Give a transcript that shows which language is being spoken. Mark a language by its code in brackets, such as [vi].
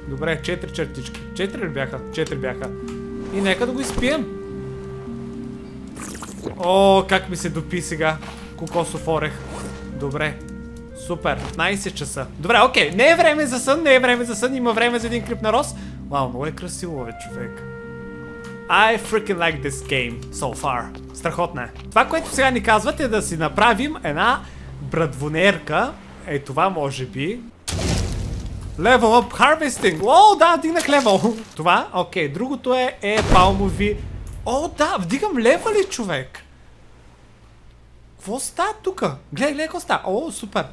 [bg] Добре, 4 чертички. 4 ли бяха? 4 бяха. И нека да го изпием. О, как ми се допи сега кокосов орех. Добре. Супер, 15 часа. Добре, окей, не е време за сън, не е време за сън, има време за един клип на Рос. Вау, много е красиво, бе, човек. [en] I freaking like this game so far. [bg] Страхотно е. Това, което сега ни казват е да си направим една брадвонерка. Е, това може би. [en] Level up harvesting. [bg] О, да, вдигнах левел. Това, окей, другото е палмови. О, да, вдигам левели, човек. Какво става тук? Гледай какво става. О, супер.